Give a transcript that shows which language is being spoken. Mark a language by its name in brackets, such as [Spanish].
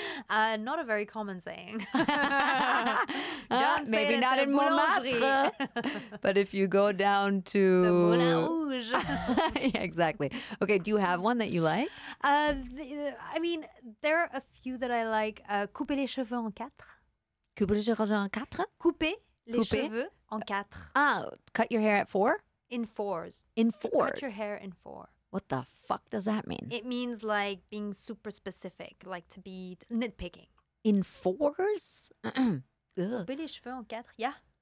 [English] And lick me. Not a very common saying. maybe not in Montmartre. But if you go down to... The Moulin Rouge. Yeah, exactly. Okay, do you have one that you like? There are a few that I like. [French] Couper les cheveux en quatre. Couper les cheveux en quatre? Couper les cheveux. En quatre. [English] Cut your hair at four? In fours. In fours? Cut your hair in four. What the fuck does that mean? It means like being super specific, like to be nitpicking. In fours? [French] Couper les cheveux en quatre, yeah.